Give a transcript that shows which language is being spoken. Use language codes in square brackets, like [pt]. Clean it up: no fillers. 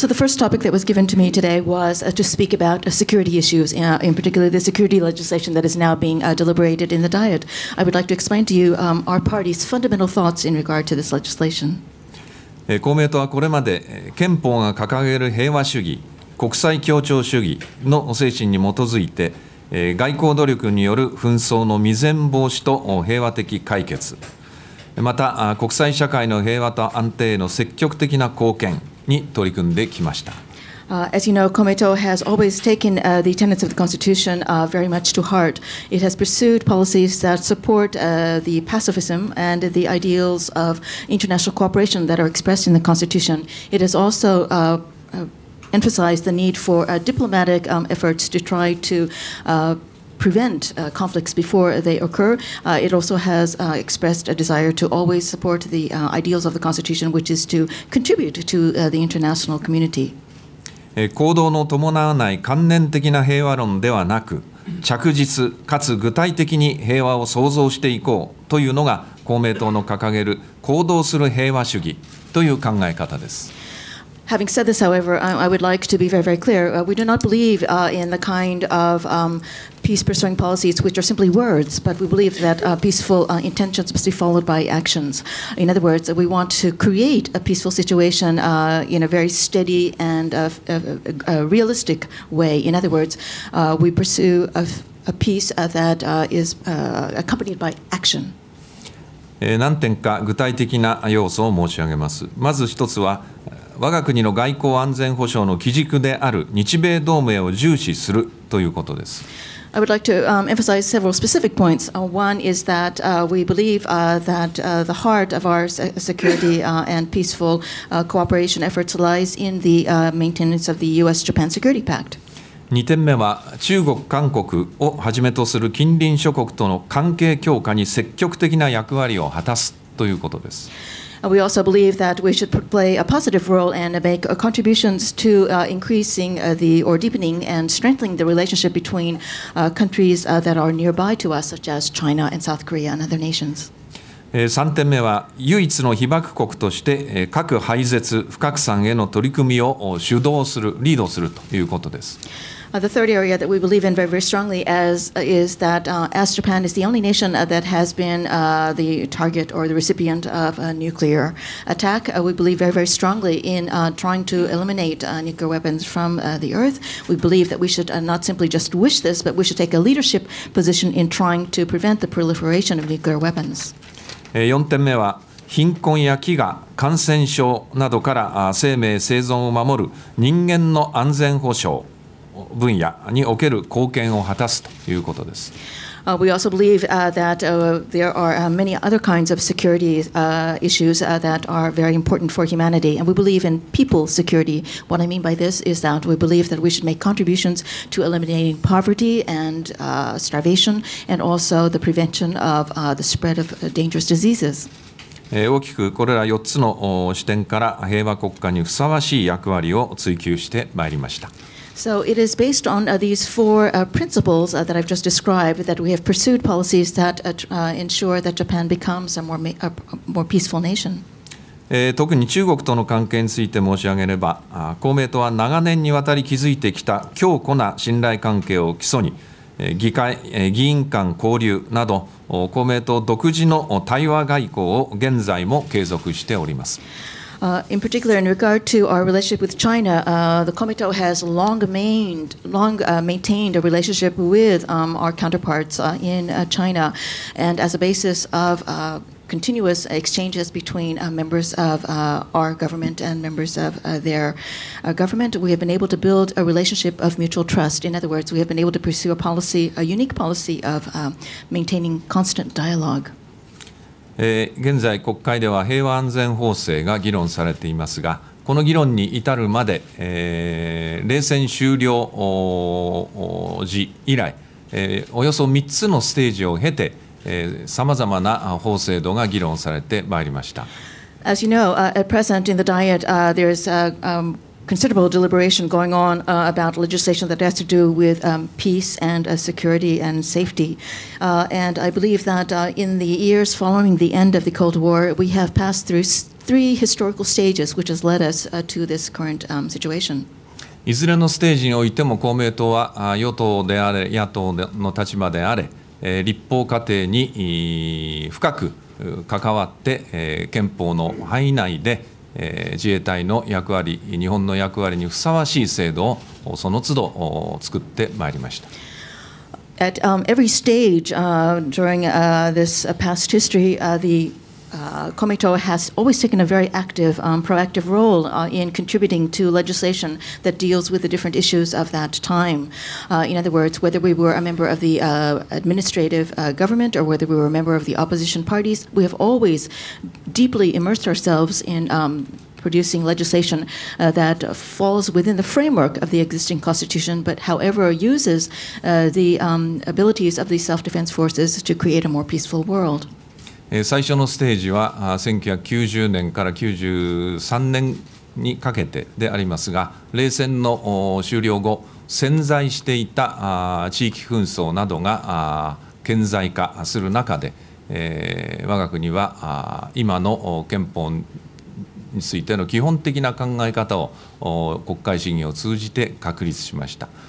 [en] So the first topic that was given to me today was to speak about security issues, in particular the security legislation that is now being deliberated in the Diet. I would like to explain to you our party's fundamental thoughts in regard to this legislation. [ja] 公明党はこれまで憲法が掲げる平和主義、国際協調主義の精神に基づいて外交努力による紛争の未然防止と平和的解決、また国際社会の平和と安定への積極的な貢献に取り組んできました。 [en] As you know, Komeito has always taken the tenets of the Constitution very much to heart. It has pursued policies that support the pacifism and the ideals of international cooperation that are expressed in the Constitution. It has also emphasize the need for diplomatic efforts to try to prevent conflicts before they occur. It also has expressed a desire to always support the ideals of the Constitution, which is to contribute to the international community. [ja] 行動の伴わない観念的な平和論ではなく、着実かつ具体的に平和を創造していこうというのが公明党の掲げる行動する平和主義という考え方です。 [en] Having said this, however, I would like to be very, very clear. We do not believe in the kind of peace-pursuing policies which are simply words, but we believe that peaceful intentions must be followed by actions. In other words, we want to create a peaceful situation in a very steady and a realistic way. In other words, we pursue a peace that is accompanied by action. [ja] 何点か具体的な要素を申し上げます。まず一つは、我が国の外交安全保障の基軸である日米同盟を重視するということです。 [en] I would like to emphasize several specific points. One is that we believe that the heart of our security and peaceful cooperation efforts lies in the maintenance of the US-Japan Security Pact. [ja] 二点目は、中国、韓国をはじめとする近隣諸国との関係強化に積極的な役割を果たすということです。 [en] We also believe that we should play a positive role and make contributions to increasing the or deepening and strengthening the relationship between countries that are nearby to us, such as China and South Korea and other nations. [ja] 3点目は唯一の被爆国として核廃絶不拡散への取り組みを主導するリードするということです。 [en] The third area that we believe in very, very strongly as, is that as Japan is the only nation that has been the target or the recipient of a nuclear attack, we believe very, very strongly in trying to eliminate nuclear weapons from the earth. We believe that we should not simply just wish this, but we should take a leadership position in trying to prevent the proliferation of nuclear weapons. [ja] 4点目は貧困や飢餓、感染症などから生命生存を守る人間の安全保障。分野における貢献を果たすということです。 [en] We also believe that there are many other kinds of security issues that are very important for humanity, and we believe in people security. What I mean by this is that we believe that we should make contributions to eliminating poverty and starvation, and also the prevention of the spread of dangerous diseases. [ja] 大きくこれら4つの視点から平和国家にふさわしい役割を追求してまいりました。 [en] So it is based on these four principles that I've just described that we have pursued policies that ensure that Japan becomes a more peaceful nation. [ja] 特に中国との関係について申し上げれば、公明党は長年にわたり築いてきた強固な信頼関係を基礎に、議員間交流など公明党独自の対話外交を現在も継続しております。 [en] In particular, in regard to our relationship with China, the Komeito has long maintained a relationship with our counterparts in China, and as a basis of continuous exchanges between members of our government and members of their government, we have been able to build a relationship of mutual trust. In other words, we have been able to pursue a unique policy of maintaining constant dialogue. [ja] 現在国会では平和安全法制が議論されていますが、この議論に至るまで、冷戦終了時以来、およそ3つのステージを経て、さまざまな法制度が議論されてまいりました。 [en] As you know, at present in the Diet, there is considerable deliberation going on about legislation that has to do with peace and security and safety. And I believe that in the years following the end of the Cold War, we have passed through three historical stages, which has led us to this current situation. [ja] いずれのステージにおいても公明党は与党であれ野党の立場であれ立法過程に深く関わって憲法の範囲内で自衛隊の役割、日本の役割にふさわしい制度をその都度作ってまいりました。 [en] At every stage during this past history, the Komeito has always taken a very active, proactive role in contributing to legislation that deals with the different issues of that time. In other words, whether we were a member of the administrative government or whether we were a member of the opposition parties, we have always deeply immersed ourselves in producing legislation that falls within the framework of the existing constitution, but however uses the abilities of the self-defense forces to create a more peaceful world. [ja] 最初のステージは1990年から93年にかけてでありますが、冷戦の終了後、潜在していた地域紛争などが顕在化する中で、我が国は今の憲法についての基本的な考え方を国会審議を通じて確立しました。